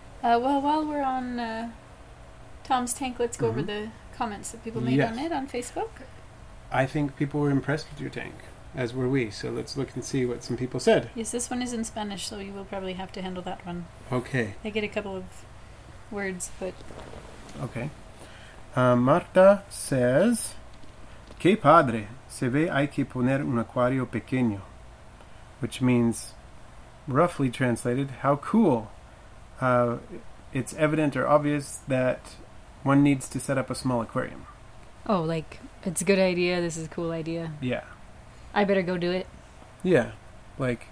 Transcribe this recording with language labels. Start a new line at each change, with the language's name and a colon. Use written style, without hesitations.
English: Well, while we're on Tom's tank, let's go over the comments that people made on it on Facebook. I think people were impressed with your tank, as were we, so let's look and see what some people said. Yes, this one is in Spanish, so you will probably have to handle that one. Okay. I get a couple of words, but... Okay.
Spanish: Marta
English: says,
Spanish: Qué padre, se ve hay que poner un acuario pequeño.
English: Which means, roughly translated, how cool. It's evident or obvious that one needs to set up a small aquarium. Oh, like, it's a good idea, this is a cool idea. Yeah. I better go do it. Yeah. Like,